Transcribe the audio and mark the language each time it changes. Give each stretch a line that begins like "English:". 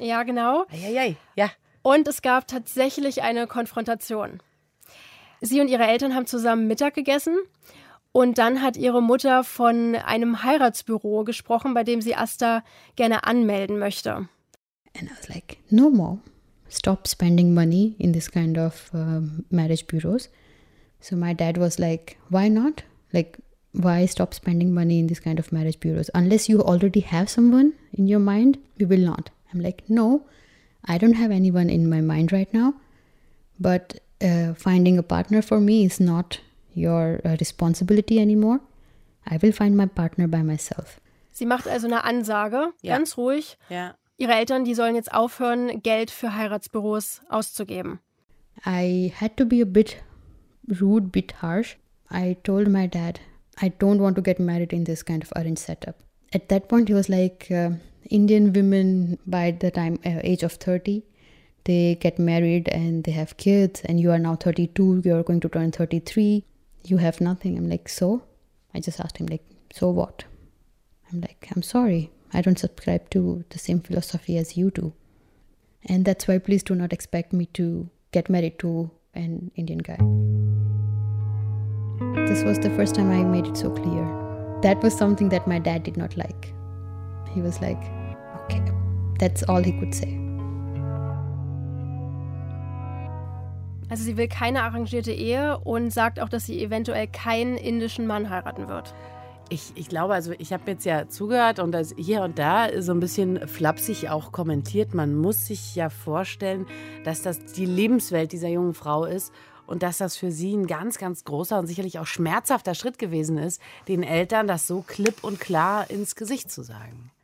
German: Ja, genau. Eieiei, ja. Und es gab tatsächlich eine Konfrontation. Sie und ihre Eltern haben zusammen Mittag gegessen Und dann hat ihre Mutter von einem Heiratsbüro gesprochen, bei dem sie Asta gerne anmelden möchte.
English: And I was like, no more. Stop spending money in this kind of marriage bureaus. So my dad was like, why not? Like, why stop spending money in this kind of marriage bureaus? Unless you already have someone in your mind, we will not. I'm like, no, I don't have anyone in my mind right now. But finding a partner for me is not your responsibility anymore. I will find my partner by myself.
German: Sie macht also eine Ansage, ja. Ganz ruhig. Ja. Ihre Eltern, die sollen jetzt aufhören, Geld für Heiratsbüros auszugeben.
English: I had to be a bit rude, bit harsh. I told my dad, I don't want to get married in this kind of arranged setup. At that point, he was like, Indian women by the time age of 30, they get married and they have kids and you are now 32, you're going to turn 33. You have nothing. I'm like, so? I just asked him, like, so what? I'm like, I'm sorry. I don't subscribe to the same philosophy as you do. And that's why please do not expect me to get married to an Indian guy. This was the first time I made it so clear. That was something that my dad did not like. He was like, okay, that's all he could say.
German: Also sie will keine arrangierte Ehe und sagt auch, dass sie eventuell keinen indischen Mann heiraten wird. Ich glaube, also ich habe jetzt ja zugehört und das hier und da so ein bisschen flapsig auch kommentiert. Man muss sich ja vorstellen, dass das die Lebenswelt dieser jungen Frau ist und dass das für sie ein ganz, ganz großer und sicherlich auch schmerzhafter Schritt gewesen ist, den Eltern das so klipp und klar ins Gesicht zu sagen.